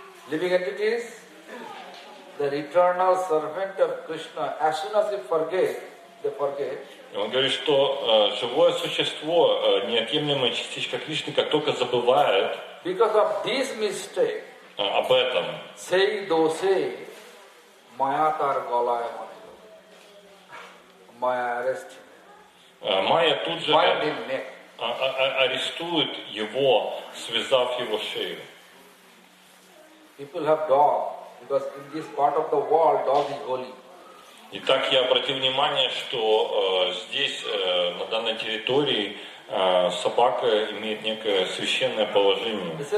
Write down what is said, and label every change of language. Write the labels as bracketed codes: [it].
[en] Living entities, the eternal servant of Krishna, as soon as they forget, they forget. [ru] Он говорит, что живое существо, неотъемлемая частичка Кришны, как только забывает [en] because of this mistake, [ru] об этом, [bn] сей досе маятар голая майя. [ru] Майя арест. Майя тут же арестует его, связав его шею. [en] People have dog, because in this part of the world, dog is holy. [ru] Итак, я обратил внимание, что здесь, на данной территории, собака имеет некое священное положение.